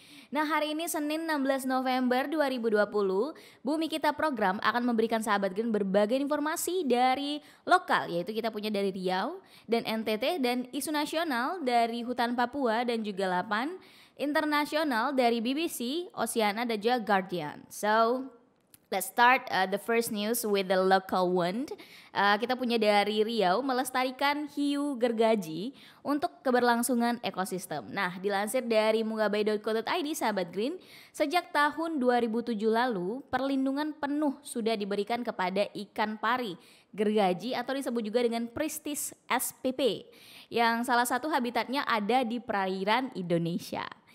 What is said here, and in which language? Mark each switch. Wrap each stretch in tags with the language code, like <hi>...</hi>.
<id>Nah, hari ini Senin 16 November 2020, Bumi Kita Program akan memberikan sahabat Green berbagai informasi dari lokal, yaitu kita punya dari Riau dan NTT, dan isu nasional dari Hutan Papua dan juga Lapan, internasional dari BBC, Oceana, dan juga Guardian.</id> <en>So, let's start the first news with the local one.</en> <id>Kita punya dari Riau, melestarikan hiu gergaji untuk keberlangsungan ekosistem. Nah, dilansir dari mungabay.co.id, sahabat Green, sejak tahun 2007 lalu, perlindungan penuh sudah diberikan kepada ikan pari gergaji atau disebut juga dengan Pristis SPP, yang salah satu habitatnya ada di perairan Indonesia.</id>